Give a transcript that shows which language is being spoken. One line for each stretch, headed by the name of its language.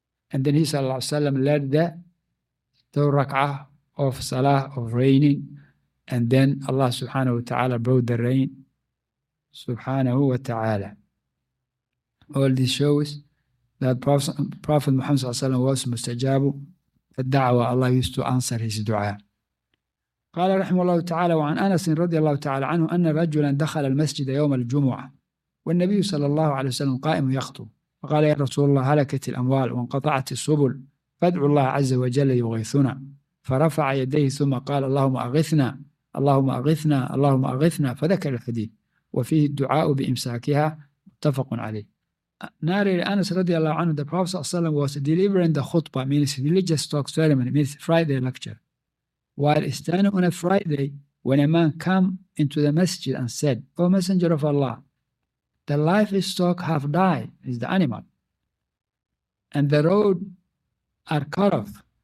English: and then he, sallallahu alayhi wa sallam, led the third rak'ah of salah, of raining, and then Allah subhanahu wa ta'ala brought the rain, subhanahu wa ta'ala. All this shows that Prophet Muhammad, sallallahu alayhi wa sallam, was mustajabu,
Arabic: الدعوة الله يستو أنصر هذه الدعاء. قال رحمه الله تعالى وعن أنس رضي الله تعالى عنه أن رجلا دخل المسجد يوم الجمعة والنبي صلى الله عليه وسلم قائم يخطب فقال يا رسول الله هلكت الأموال وانقطعت السبل فادعوا الله عز وجل يغيثنا فرفع يديه ثم قال اللهم أغثنا اللهم أغثنا اللهم أغثنا فذكر الحديث وفيه الدعاء بإمساكها متفق عليه.
English: Narrated Anas radiallahu anhu, the Prophet ﷺ was delivering the khutbah, means religious talk ceremony, means Friday lecture. While standing on a Friday, when a man came into the masjid and said, O Messenger of Allah, the livestock have died, is the animal, and the road are cut off.